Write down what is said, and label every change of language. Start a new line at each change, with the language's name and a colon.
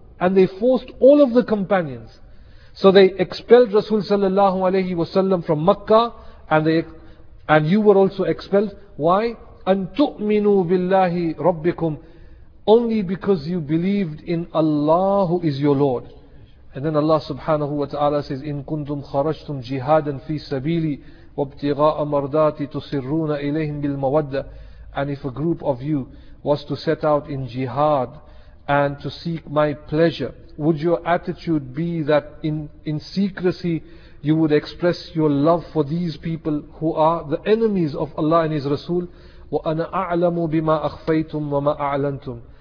English: And they forced all of the companions. So they expelled Rasul sallallahu alayhi wasallam from Makkah. And you were also expelled. Why?
Arabic: أَنْ تُؤْمِنُوا بِاللَّهِ رَبِّكُمْ.
English: Only because you believed in Allah who is your Lord. And then Allah subhanahu wa ta'ala says,
Arabic: إِنْ كُنْتُمْ خَرَجْتُمْ جِهَادًا فِي سَبِيلِي وَابْتِغَاءَ مَرْضَاتِ تُصِرُّونَ إِلَيْهِمْ بِالْمَوَدَّةِ.
English: And if a group of you was to set out in jihad and to seek my pleasure, would your attitude be that in secrecy you would express your love for these people who are the enemies of Allah and His Rasul?
Arabic: وَأَنَا أَعْلَمُ بِمَا أَخْفَيْتُمْ وَمَا أَعْلَنْتُمْ.